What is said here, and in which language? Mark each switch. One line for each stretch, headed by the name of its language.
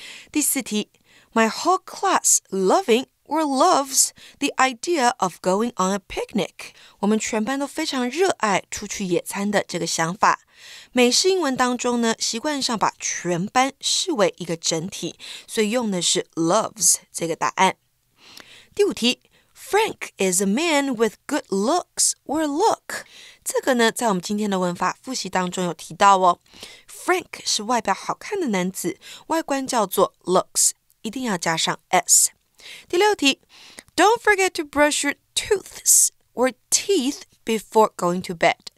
Chinese: 第四题
English: ，My whole class loving or loves the idea of going on a picnic。
Chinese: 我们全班都非常热爱出去野餐的这个想法。美式英文当中呢，习惯上把全班视为一个整体，所以用的是 loves 这个答案。第五题
English: ，Frank is a man with good looks or look。
Chinese: 这个呢，在我们今天的文法复习当中有提到哦。 Frank 是外表好看的男子，外观叫做 looks， 一定要加上 s。第六题
English: ，Don't forget to brush your tooths or teeth before going to bed。